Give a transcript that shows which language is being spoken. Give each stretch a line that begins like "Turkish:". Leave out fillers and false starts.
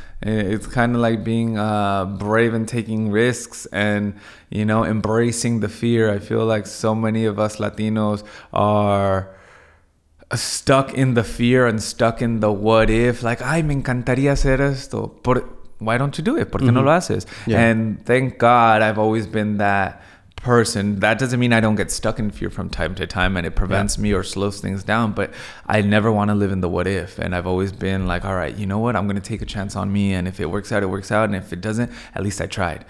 English: It's kind of like being brave and taking risks and, you know, embracing the fear. I feel like so many of us Latinos are stuck in the fear and stuck in the what if.
Spanish: Like, ay, me encantaría hacer esto. Por,
English: why don't you do it?
Spanish: ¿Por qué no lo haces?
English: Yeah. And thank God I've always been that person. That doesn't mean I don't get stuck in fear from time to time and it prevents me or slows things down. But I never want to live in the what if. And I've always been like, all right, you know what? I'm going to take a chance on me. And if it works out, it works out. And if it doesn't, at least I tried.